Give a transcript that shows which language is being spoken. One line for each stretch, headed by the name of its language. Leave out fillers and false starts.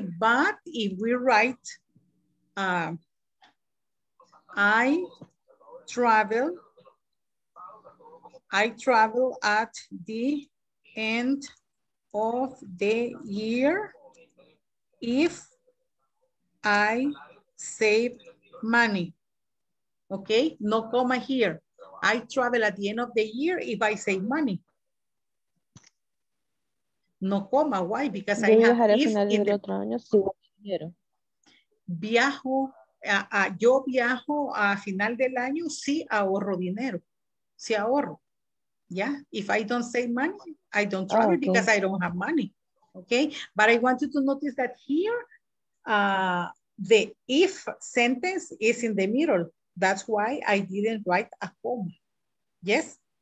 English: But if we write, I travel at the end of the year if I save money. Okay, no comma here. I travel at the end of the year if I save money. No comma, why? Because
Spanish: yo
English: I have
Spanish: viajaré al final del otro año si quiero. Viajo, yo viajo a final del año si ahorro dinero, si ahorro.
English: Yeah, if I don't save money, I don't travel because I don't have money. Okay, but I want you to notice that here, the if sentence is in the middle. That's why I didn't write a comma. Yes?